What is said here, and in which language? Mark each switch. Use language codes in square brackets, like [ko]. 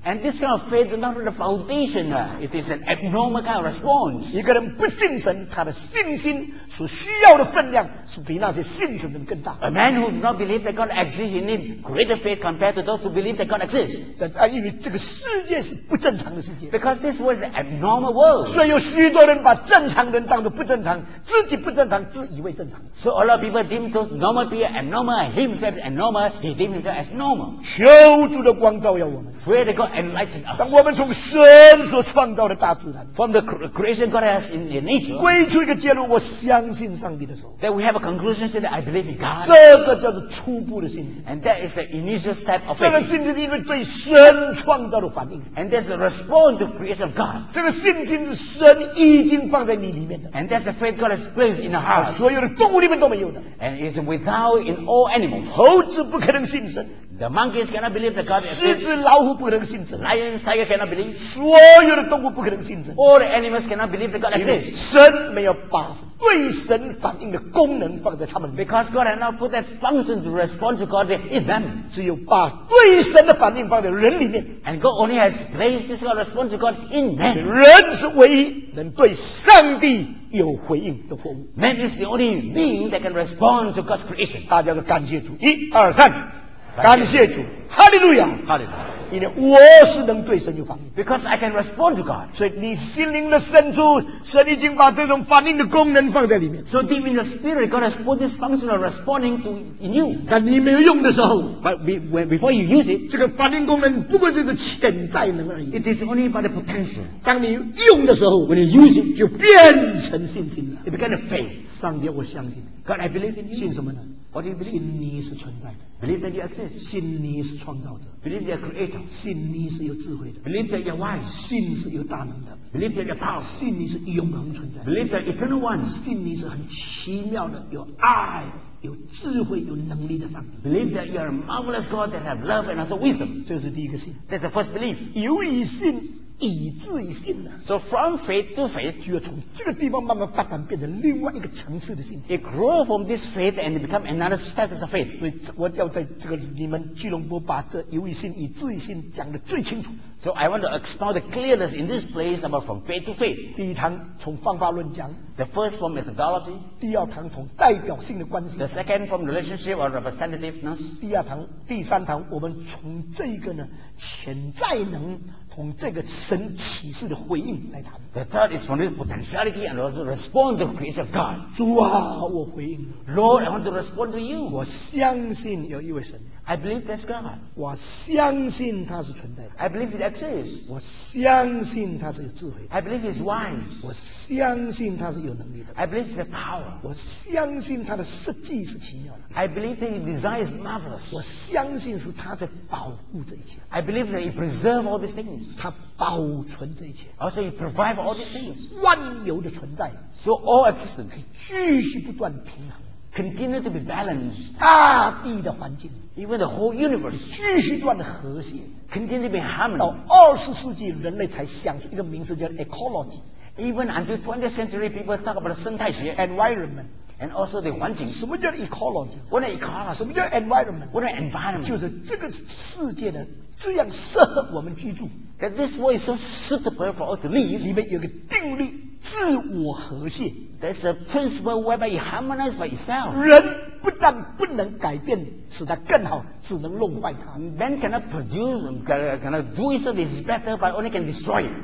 [en] And this kind of faith is not the foundation. It is an abnormal kind of response. [zh] 一个人不信神，他的信心所需要的分量是比那些信神的更大。 [en] A man who does not believe that God exists, he needs greater faith compared to those who believe that God exists. [zh] 但因为这个世界是不正常的世界。 [en] Because this world is an abnormal world. [zh] 所以有许多人把正常人当作不正常，自己不正常，自以为正常。 [en] So a lot of people deem those normal people abnormal, himself abnormal, he deem himself as normal. [zh] 求主的光照耀我们。 [en] Pray that God enlighten us. [zh] 当我们从神所创造的大自然。 [en] From the creation God has in nature. [zh] 归出一个结论，我相信上帝的时候。 [en] That we have a conclusion that I believe in God. [zh] 这个叫做初步的信心。 [en] And that is the initial step of [zh] faith. 这个信心是因为对神创造的反应。 [en] And that's the response to creation of God. [zh] 这个信心是神已经放在你里面的。 [en] And that's the faith God has placed in the heart. [zh] 所有的动物里面都没有的。 [en] And it's without in all animals. [zh] 猴子不可能信神。 [en] The monkeys cannot believe that God is. [zh] 狮子、老虎不可能信神。 [en] Lions, tiger cannot believe. [zh] 所有的动物不可能信神。 [en] All animals cannot believe that God exists. [zh] 因为神没有把对神反应的功能放在他们。 [en] Because God has not put that function to respond to God in them. [zh] 只有把对神的反应放在人里面。 [en] And God only has placed this response to God in them. [zh] 人是唯一能对上帝有回应的活物。 [en] Man is the only being that can respond to God's creation. [zh] 大家都感谢主。一、二、三。感谢主，哈利路亚，哈利路亚！因为我是能对神有反应 [en] ，because I can respond to God。 [zh] 所以你心灵的深处，神已经把这种反应的功能放在里面。 [en] So deep in the spirit, God has put this function of responding to in you。 [zh] 但你没有用的时候 [en] ，before you use it， [zh] 这个反应功能不过是个潜在能而已。 [en] It is only by the potential。 [zh] 当你用的时候 [en] ，when you use it， [zh] 就变成信心了 [en] ，it becomes a faith。 [zh] 上帝，我相信 [en] ，God I believe in you。 [zh] 信什么呢？ [en] What do you believe? [zh] 信你是存在的。 [en] Believe that you exist. [zh] 信你是创造者。 [en] Believe that you are creator. [zh] 信你是有智慧的。 [en] Believe that you are wise. [zh] 信是有大能的。 [en] Believe that you are power. [zh] 信你是永恒存在的。 [en] Believe that eternal one. [zh] 信你是很奇妙的，有爱、有智慧、有能力的上帝。 [en] Believe that you are a marvelous God that have love and also wisdom. [zh] 这是第一个信。 [en] That's the first belief. [zh] 由于信。以至于信呢 [en] ？So from faith to faith， [zh] 就要从这个地方慢慢发展，变成另外一个层次的信心。 [en] It grows from this faith and become another status of faith。 [zh] 所以我要在这个你们吉隆坡把这由于信以至于信讲得最清楚。 [en] So I want to explore the clearness in this place about from faith to faith。 [zh] 第一堂从方法论讲 [en] ，The first from methodology。 [zh] 第二堂从代表性的关系 [en] ，The second from relationship or representativeness。 [zh] 第二堂、第三堂，我们从这个呢潜在能。从这个神启示的回应来谈。 [en] The third is from this potentiality and also respond to the creation of God. [zh] 主啊，我回应。 [en] Lord, I want to respond to you. [zh] 我相信有一位神。 [en] I believe that's God. [zh] 我相信他是存在的。 [en] I believe he exists. [zh] 我相信他是有智慧。 [en] I believe he's wise. [zh] 我相信他是有能力的。 [en] I believe he's a power. [zh] 我相信他的设计是奇妙的。 [en] I believe that his design is marvelous. [zh] 我相信是他在保护这一切。 [en] I believe that he preserves all these things. [zh] 他保存这一切。 [en] Also he provides all these things. [zh] 万有的存在。 [en] So all existence. [zh] 继续不断平衡。 [en] Continue to be balanced. [zh] 大地的环境。 [en] Even the whole universe [zh] 继续断和谐 [en] ，continue to be harmony。 [zh] 到二十世纪，人类才想出一个名字叫 ecology。 [en] Even until 20th century, people talk about 生态学，environment， and also the 环境。 [zh] 什么叫 ecology？ [en] What is ecology？ [zh] 什么叫 environment？ [en] What is environment？ [zh] 就是这个世界呢，这样适合我们居住。 [en] That this world is so suitable for us to live。 [zh] 里面有个定律，自我和谐。 [en] There's a principle whereby it harmonizes by itself。 [zh] 人不但不能改变，使它更好，只能弄坏它。 [en] Man cannot produce, cannot do it so that it's better, but only can destroy it.